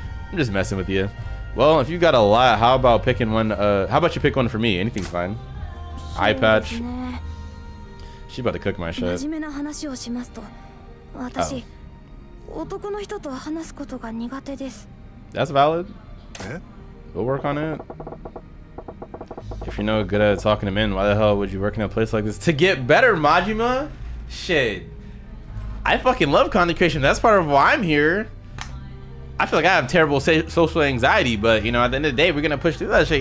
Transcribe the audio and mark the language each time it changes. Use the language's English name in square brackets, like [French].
[English] I'm just messing with you. Well, if you got a lot, how about picking one? How about you pick one for me? Anything's fine. eye patch. She about to cook my shit. [Japanese] 真面目な話をしますと、 私、 男の人と話すことが苦手です。 [English] That's valid. We'll work on it. If you're not good at talking to men, why the hell would you work in a place like this? To get better, Majima? Shit. I fucking love content creation. That's part of why I'm here. I feel like I have terrible social anxiety, but you know, at the end of the day, we're gonna push through that shit.